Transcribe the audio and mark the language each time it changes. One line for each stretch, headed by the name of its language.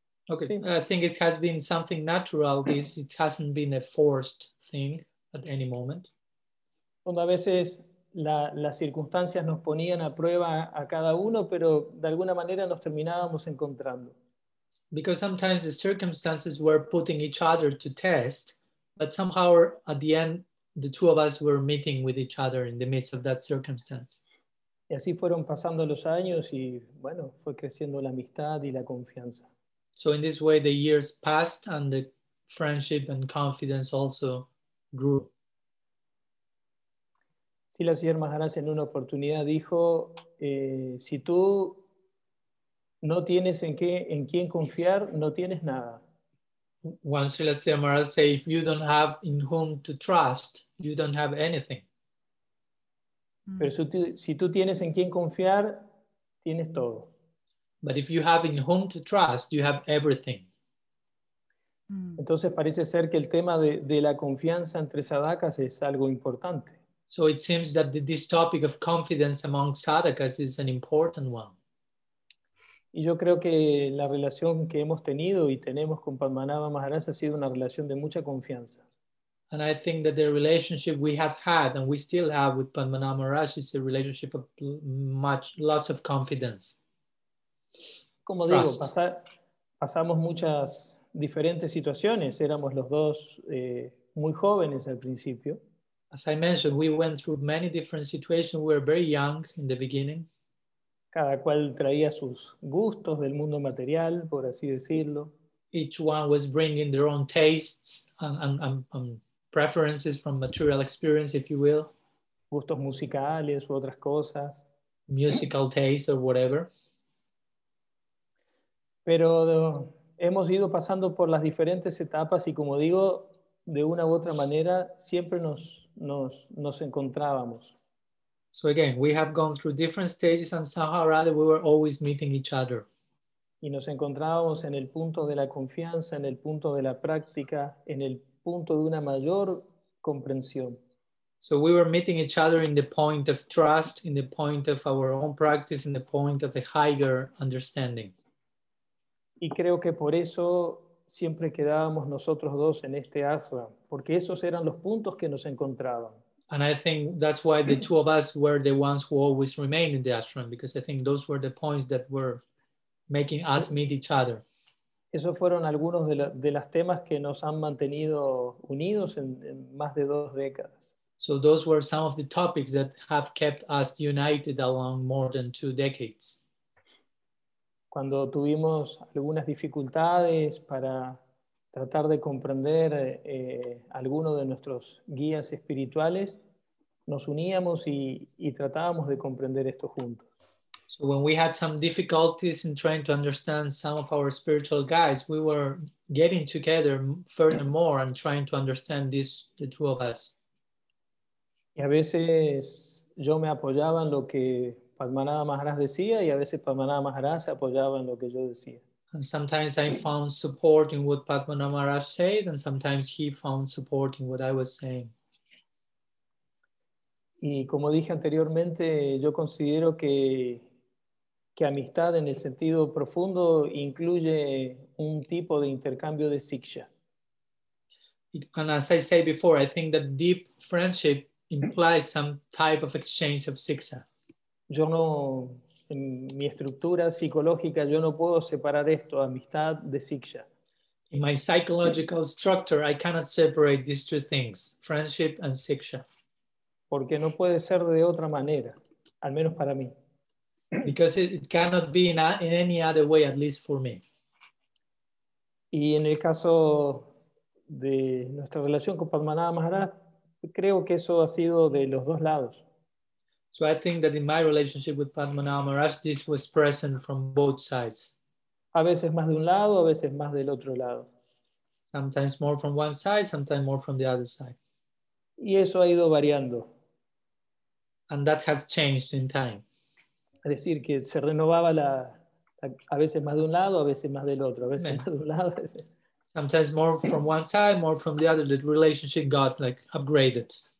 English: I think it has been something natural. It hasn't been a forced thing at any moment.
Spanish: Donde a veces las circunstancias nos ponían a prueba a cada uno, pero de alguna manera nos terminábamos encontrando.
English: Because sometimes the circumstances were putting each other to test, but somehow at the end, the two of us were meeting with each other in the midst of that circumstance.
Spanish: Y así fueron pasando los años y bueno, fue creciendo la amistad y la confianza.
English: So in this way the years passed and the friendship and confidence also grew.
Spanish: Srila Sridhar Maharaj en una oportunidad dijo, si tú no tienes en quién confiar, no tienes nada.
English: Once Srila Sridhar Maharaj said, if you don't have in whom to trust, you don't have anything.
Spanish: Pero si tú tienes en quién confiar, tienes todo.
English: But if you have in whom to trust, you have everything.
Spanish: Entonces parece ser que el tema de la confianza entre sadhakas es algo importante.
English: So it seems that this topic of confidence among sadhakas is an important one.
Spanish: Y yo creo que la relación que hemos tenido y tenemos con Padmanabha Maharaj ha sido una relación de mucha confianza.
English: And I think that the relationship we have had and we still have with Padmanabha Maharaj is a relationship of lots of confidence.
Spanish: Como trust. Digo, pasamos muchas diferentes situaciones. Éramos los dos muy jóvenes al principio.
English: As I mentioned, we went through many different situations. We were very young in the beginning.
Spanish: Cada cual traía sus gustos del mundo material, por así decirlo.
English: Each one was bringing their own tastes and preferences from material experience, if you will.
Spanish: Gustos musicales u otras cosas.
English: Musical tastes or whatever.
Spanish: Pero hemos ido pasando por las diferentes etapas y, como digo, de una u otra manera siempre nos encontrábamos.
English: So again, we have gone through different stages and somehow or other we were always meeting each other.
Spanish: Y nos encontrábamos en el punto de la confianza, en el punto de la práctica, en el punto de una mayor comprensión.
English: So we were meeting each other in the point of trust, in the point of our own practice, in the point of a higher understanding.
Spanish: Y creo que por eso siempre quedábamos nosotros dos en este ashram, porque esos eran los puntos que nos encontraban.
English: And I think that's why the two of us were the ones who always remained in the ashram, because I think those were the points that were making us meet each other.
Spanish: Esos fueron algunos de las temas que nos han mantenido unidos en más de dos décadas.
English: So those were some of the topics that have kept us united along more than two decades.
Spanish: Cuando tuvimos algunas dificultades para tratar de comprender alguno de nuestros guías espirituales, nos uníamos y tratábamos de comprender esto juntos.
English: So when we had some difficulties in trying to understand some of our spiritual guides, we were getting together furthermore and trying to understand this, the two of us.
Spanish: Y a veces yo me apoyaba en lo que Padmanabha Maharaj decía y a veces Padmanabha Maharaj se apoyaba en lo que yo decía.
English: And sometimes I found support in what Padmanabha Maharaj said and sometimes he found support in what I was saying.
Spanish: Y como dije anteriormente, yo considero que amistad en el sentido profundo incluye un tipo de intercambio de siksha.
English: And as I said before, I think that deep friendship implies some type of exchange of siksha.
Spanish: Yo no, en mi estructura psicológica, yo no puedo separar esto, amistad de siksha.
English: In my psychological structure, I cannot separate these two things, friendship and siksha.
Spanish: Porque no puede ser de otra manera, al menos para mí.
English: Because it cannot be in any other way, at least for me.
Spanish: Y en el caso de nuestra relación con Padmanabha Maharaj, creo que eso ha sido de los dos lados.
English: So I think that in my relationship with Padmanabha Maharaj, this was present from both sides.
Spanish: A veces más de un lado, a veces más del otro lado.
English: Sometimes more from one side, sometimes more from the other side.
Spanish: Y eso ha ido variando.
English: And that has changed in time.
Spanish: Es decir, que se renovaba a veces más de un lado, a veces más del otro, a veces más de un lado.
English: Sometimes more from one side, more from the other. The relationship got like upgraded.